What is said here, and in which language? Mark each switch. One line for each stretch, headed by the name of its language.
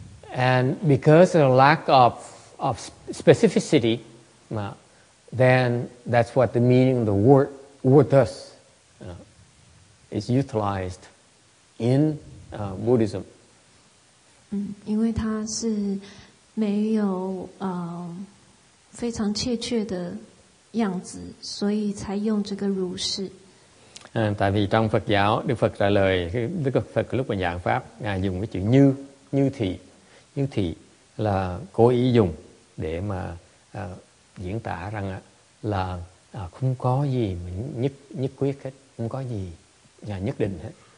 English: And because of the lack of specificity, then that's what the meaning of the word thus is utilized in Buddhism.
Chinese: 因为它是没有非常确切的样子，所以才用这个如是。
Vietnamese: Tại vì trong Phật giáo, Đức Phật trả lời, Đức Phật lúc mà giảng pháp, ngài dùng cái chữ như. Như thị là cố ý dùng để mà diễn tả rằng là không có gì mà nhất quyết hết, không có gì nhất định hết.